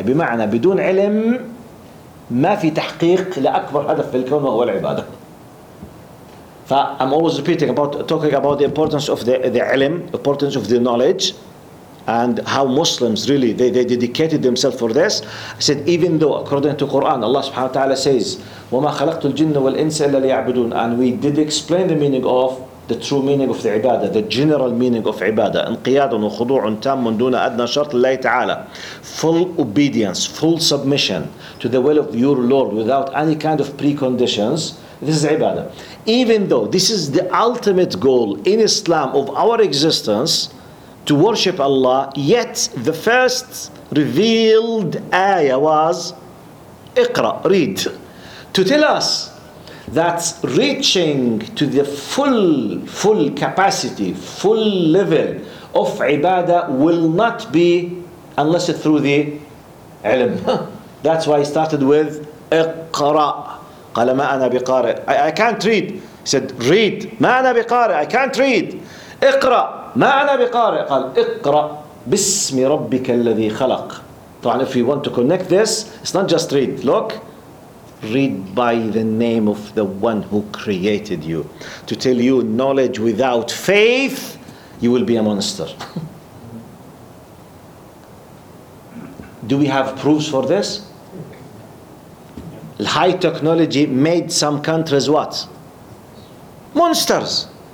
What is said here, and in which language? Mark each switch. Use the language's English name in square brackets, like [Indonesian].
[Arabic] بمعنى بدون علم ما في تحقيق لأكبر هدف في الكون وهو العبادة. [English] I'm always repeating about talking about the importance of the علم, importance of the knowledge, and how Muslims really they dedicated themselves for this. I said even though according to Quran Allah subhanahu wa ta'ala says [Arabic] وَمَا خَلَقْتُ الْجِنَّ وَالْإِنْسَ إِلَّا لِيَعْبُدُونَ, [English] and we did explain the meaning of the true meaning of the ibadah, the general meaning of ibadah, [Arabic] انقياد وخضوع تام دون أدنى شرط لله تعالى, [English] full obedience, full submission to the will of your Lord without any kind of preconditions, this is ibadah. Even though this is the ultimate goal in Islam of our existence to worship Allah, yet the first revealed ayah was اقرأ, read, to tell us that reaching to the full capacity, full level of ibadah will not be unless it's through the ilm. That's why he started with اقرأ. [Arabic] قال ما أنا بقارئ. [English] I can't read. He said read. [Arabic] ما أنا بقارئ. [English] I can't read. [Arabic] اقرأ. ما أنا بقارئ. قال اقرأ باسم ربك الذي خلق. [English] طبعا if you want to connect this, it's not just read. Look, read by the name of the one who created you. To tell you knowledge without faith, you will be a monster. Do we have proofs for this? High technology made some countries what? Monsters.